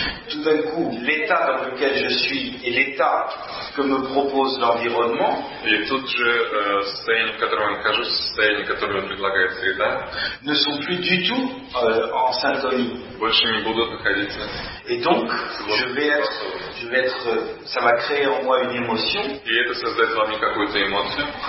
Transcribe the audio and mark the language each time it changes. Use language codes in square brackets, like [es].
[fr] Tout d'un coup, l'état dans lequel je suis et l'état que me propose l'environnement. Et tout de suite, [ru] состояние, в котором я нахожусь, состояние, которое мне предлагает среда. [fr] Ne sont plus du tout en syntonie. [ru] Больше не будут находиться. [fr] Et donc, je vais être, ça va créer en moi une émotion. [ru] Et это создает во мне какую-то эмоцию.